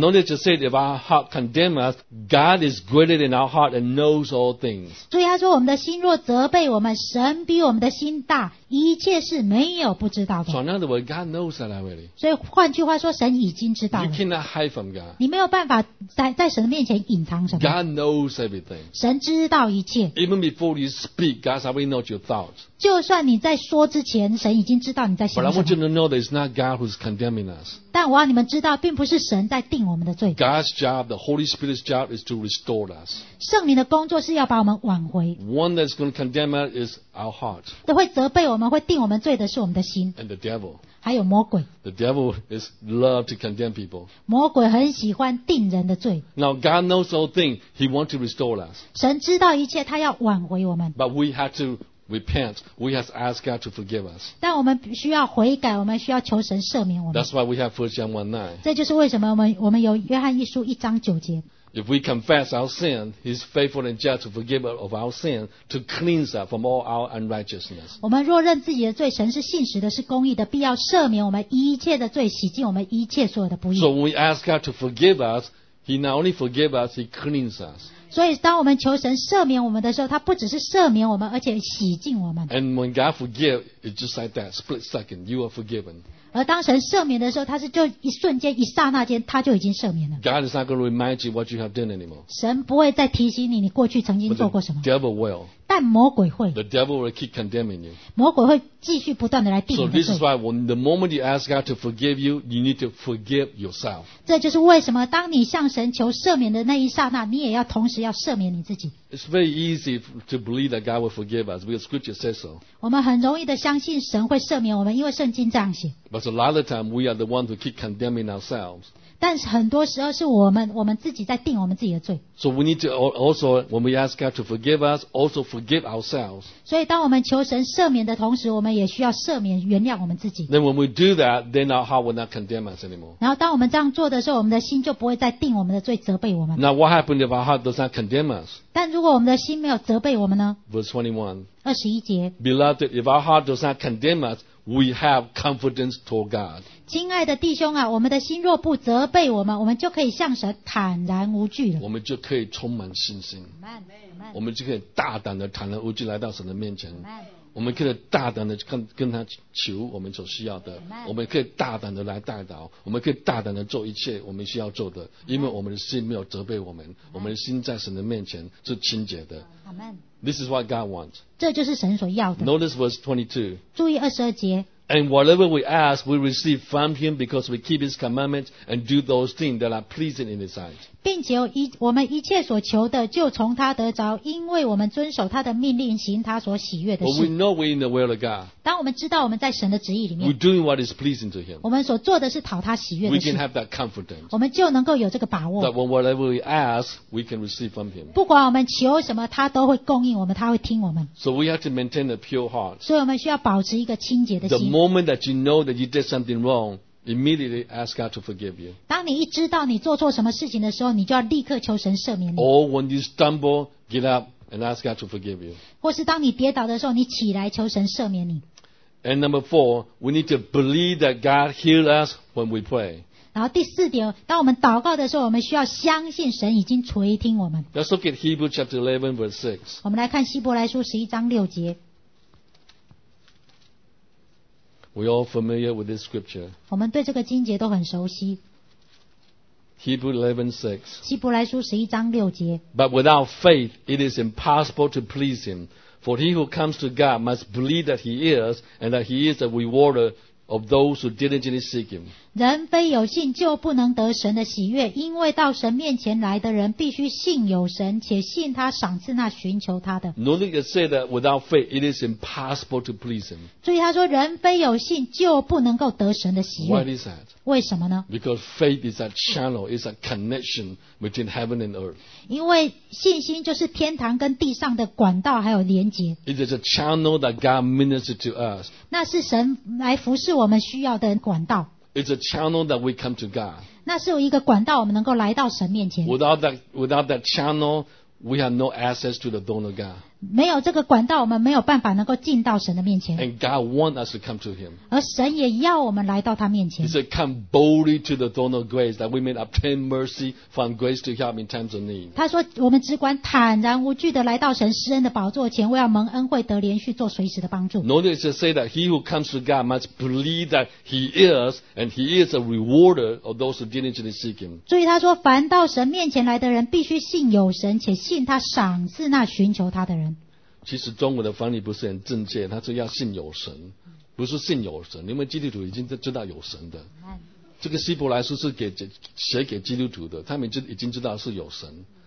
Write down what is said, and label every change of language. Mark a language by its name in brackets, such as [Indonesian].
[English] Now notice it said if our heart condemns us, God is greater than our heart and knows all things. [Chinese] 所以他说我们的心若责备我们神比我们的心大一切是没有不知道的。 [English] So in other words, God knows that already. [Chinese] 所以换句话说神已经知道了。 [English] You cannot hide from God. [Chinese] 你没有办法 在神面前隐藏什么。 [English] God knows everything. [Chinese] 神知道。 [English] Even before you speak, God already knows your thoughts. [Chinese] 就算你在说之前，神已经知道你在想什么。 [English] But I want you to know that it's not God who's condemning us. [Chinese] 但我要你们知道，并不是神在定我们的罪。 [English] God's job, the Holy Spirit's job, is to restore us. [Chinese] 圣灵的工作是要把我们挽回。 [English] One that's going to condemn us is our heart. [Chinese] 会责备我们，会定我们罪的是我们的心。 [English] And the devil. [Chinese] 还有魔鬼。 [English] The devil is love to condemn people. [Chinese] 魔鬼很喜欢定人的罪。 [English] Now God knows all things. He wants to restore us. [Chinese] 神知道一切，他要挽回我们。 [English] But we have to repent. We have to ask God to forgive us. [Chinese] 但我们需要悔改，我们需要求神赦免我们。 [English] That's why we have 1 John 1:9. [Chinese] 这就是为什么我们有约翰一书一章九节。 [English] If we confess our sin, He is faithful and just to forgive us of our sin, to cleanse us from all our unrighteousness. [Chinese] 我们若认自己的罪，神是信实的，是公义的，必要赦免我们一切的罪，洗净我们一切所有的不义。 [English] So when we ask God to forgive us, He not only forgives us, He cleanses us. [Chinese] 所以当我们求神赦免我们的时候，他不只是赦免我们，而且洗净我们。 [English] And when God forgives, it's just like that, split second, you are forgiven. [Chinese] 而当神赦免的时候他是就一瞬间一刹那间他就已经赦免了 [English] God is not going to remind you what you have done anymore [Chinese] 神不会再提醒你你过去曾经做过什么 [English] But the devil will [Chinese] 但魔鬼会 [English] The devil will keep condemning you [Chinese] 魔鬼会继续不断的来定你的罪 [English] So this is why when the moment you ask God to forgive you you need to forgive yourself [Chinese] 这就是为什么当你向神求赦免的那一刹那你也要同时要赦免你自己 [English] It's very easy to believe that God will forgive us because scripture says so [Chinese] 我们很容易的相信神会赦免我们因为圣经这样写 [English] But a lot of time we are the ones who keep condemning ourselves. [Chinese] 但是很多时候是我们自己在定我们自己的罪。 [English] So we need to also when we ask God to forgive us, also forgive ourselves. [Chinese] 所以当我们求神赦免的同时，我们也需要赦免原谅我们自己。 [English] Then when we do that, then our heart will not condemn us anymore. [Chinese] 然后当我们这样做的时候，我们的心就不会再定我们的罪，责备我们。 [English] Now what happens if our heart does not condemn us? [Chinese] 但如果我们的心没有责备我们呢 [English] ？Verse 21. [Chinese] 二十一节。 [English] Beloved, if our heart does not condemn us. We have confidence toward God. [Chinese] 亲爱的弟兄啊，我们的心若不责备我们，我们就可以向神坦然无惧了。我们就可以充满信心。我们就可以大胆的坦然无惧来到神的面前。我们可以大胆的跟他求我们所需要的。我们可以大胆的来代祷。我们可以大胆的做一切我们需要做的，因为我们的心没有责备我们，我们的心在神的面前是清洁的。 [English] This is what God wants. [Chinese] 这就是神所要的。 [English] Notice verse 22. [Chinese] 注意二十二节。 [English] And whatever we ask, we receive from Him because we keep His commandments and do those things that are pleasing in His sight. [Chinese] 并且我们一切所求的就从他得着，因为我们遵守他的命令，行他所喜悦的事。 [English] But we know we're in the will of God. [Chinese] 当我们知道我们在神的旨意里面。 [English] We're doing what is pleasing to Him. [Chinese] 我们所做的是讨他喜悦的事。 [English] We can have that confidence. [Chinese] 我们就能够有这个把握。 [English] That when whatever we ask, we can receive from Him. [Chinese] 不管我们求什么，他都会供应我们，他会听我们。 [English] So we have to maintain a pure heart. [Chinese] 所以我们需要保持一个清洁的心。 [English] The moment that you know that you did something wrong, immediately ask God to forgive you. [Chinese] 当你一知道你做错什么事情的时候，你就要立刻求神赦免你。 [English] Or when you stumble, get up and ask God to forgive you. [Chinese] 或是当你跌倒的时候，你起来求神赦免你。 [English] And number four, we need to believe that God heals us when we pray. [Chinese] 然后第四点，当我们祷告的时候，我们需要相信神已经垂听我们。 [English] Let's look at Hebrews chapter 11 verse 6. [Chinese] 我们来看希伯来书11章6节。 [English] We're all familiar with this scripture. [Chinese] 我们对这个经节都很熟悉。 [English] Hebrews 11:6. [Chinese] 希伯来书11章6节。 [English] But without faith, it is impossible to please him. For he who comes to God must believe that he is, and that he is a rewarder of those who diligently seek him. [Chinese] 人非有信就不能得神的喜悦，因为到神面前来的人必须信有神，且信他赏赐那寻求他的。 [English] Notice it said that without faith, it is impossible to please him. [Chinese] 注意他说，人非有信就不能够得神的喜悦。 [English] Why is that? [Chinese] 为什么呢? [English] Because faith is a channel, it's a connection between heaven and earth. [Chinese] 因为信心就是天堂跟地上的管道还有连结。 [English] It is a channel that God ministers to us. [Chinese] 那是神来服侍我们需要的管道。 [English] It's a channel that we come to God. [Chinese] 那是有一个管道我们能够来到神面前。 [English] Without that channel, we have no access to the throne of God. [Chinese] 没有这个管道，我们没有办法能够进到神的面前。 [English] And God wants us to come to Him. [Chinese] 而神也要我们来到他面前。 [English] He said, "Come boldly to the throne of grace, that we may obtain mercy, find grace to help in times of need." [Chinese] 他说，我们只管坦然无惧地来到神施恩的宝座前，为要蒙恩惠，得连续做随时的帮助。 [English] Notice to say that he who comes to God must believe that He is, and He is a rewarder of those who diligently seek Him. [Chinese] 注意他说，凡到神面前来的人，必须信有神，且信他赏赐那寻求他的人。其实中文的翻译不是很正确，他说要信有神，不是信有神。你们基督徒已经知道有神的，这个希伯来书是写给基督徒的，他们已经知道是有神。